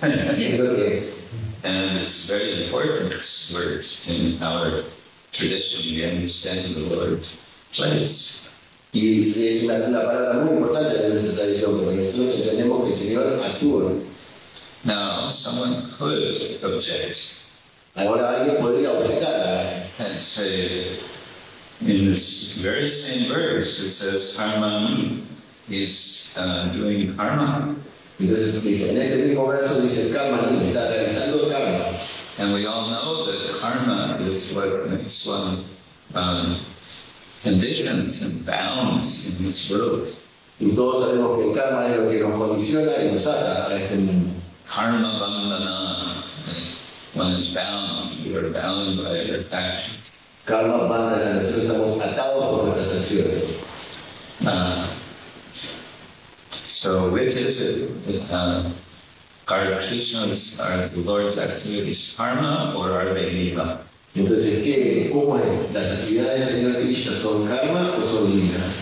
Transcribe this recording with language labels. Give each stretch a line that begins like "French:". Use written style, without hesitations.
English: And it's very important word in our tradition, we understand the word place.
Spanish: Y es una palabra muy importante en nuestra tradición, porque nosotros entendemos que el Señor actúa.
English: Now, someone could object.
Spanish: Ahora alguien podría objetar.
English: And say, in this very same verse, it says karmāṇy is doing karma.
Spanish: Entonces dice, en este mismo verso dice karmāṇy, está realizando karma.
English: And we all know that karma is what makes one conditioned and bound in this world.
Spanish: Y todos sabemos que el karma es lo que nos condiciona y nos ata a este mundo.
English: Karma bandhana. One is bound. We are bound by our actions.
Spanish: Karma bandhana. Nosotros estamos atados por nuestras acciones.
English: So which is it? Are Krishna's, are the Lord's activities karma or are they lila?
Spanish: Entonces, ¿qué? ¿Cómo es? ¿Las actividades del Señor Krishna son karma o son lila?